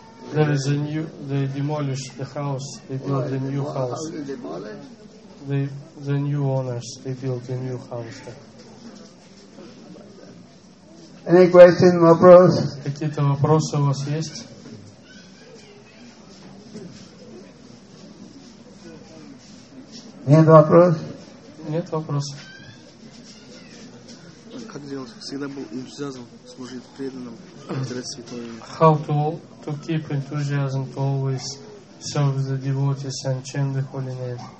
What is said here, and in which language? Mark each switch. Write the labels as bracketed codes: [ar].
[en] There is a new, they demolished the house. They built a new house. The new owners, they built a new house there. Any question, вопрос? [ru] Какие-то вопросы у вас есть? Нет вопросов? Нет вопросов. Как делать? Всегда был энтузиазм служить преданным, повторять святое имя. [en] How to keep enthusiasm to always serve the devotees and chant the holy name?